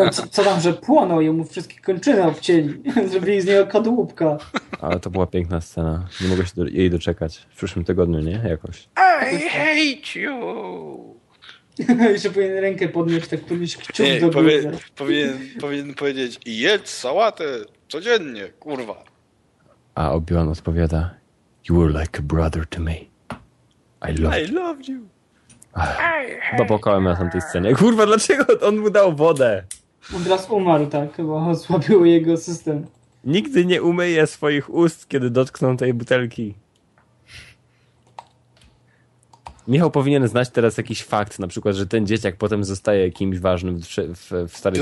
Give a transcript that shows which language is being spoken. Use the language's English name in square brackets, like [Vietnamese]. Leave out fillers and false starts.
[Polish] Co tam, że płonął i mu wszystkie kończyny obcięli. Zrobili z niego kadłubka. Ale to była piękna scena. Nie mogę się jej doczekać. W przyszłym tygodniu, nie? Jakoś. [English] I hate you! [Polish] Jeszcze powinien rękę podnieść, tak powinien się wciąć do góry. Powinien powiedzieć, jedz sałatę codziennie, kurwa. A Obi-Wan odpowiada, [English] you were like a brother to me. I loved you. [Polish] Popłakałem na tamtej scenie. Kurwa, dlaczego on mu dał wodę? On teraz umarł, tak, bo osłabił jego system. Nigdy nie umyje swoich ust, kiedy dotkną tej butelki. Michał powinien znać teraz jakiś fakt, na przykład, że ten dzieciak potem zostaje kimś ważnym w starej